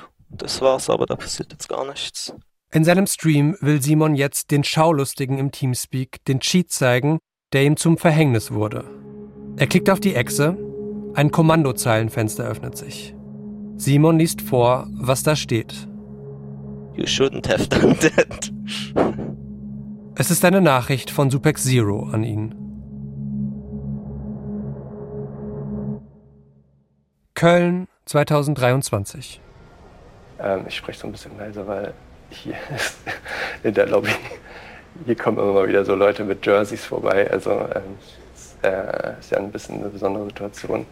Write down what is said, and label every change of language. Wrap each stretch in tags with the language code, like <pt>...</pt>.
<de>Das war's, aber da passiert jetzt gar nichts. In seinem Stream will Simon jetzt den Schaulustigen im Teamspeak den Cheat zeigen, der ihm zum Verhängnis wurde. Er klickt auf die Echse, ein Kommandozeilenfenster öffnet sich. Simon liest vor, was da steht.</de> <en>You shouldn't have done that.</en> <de>Es ist eine Nachricht von Supex Zero an ihn. Köln 2023. Ich spreche so ein bisschen leiser, weil hier ist in der Lobby, hier kommen immer mal wieder so Leute mit Jerseys vorbei, also ist ja ein bisschen eine besondere Situation.</de>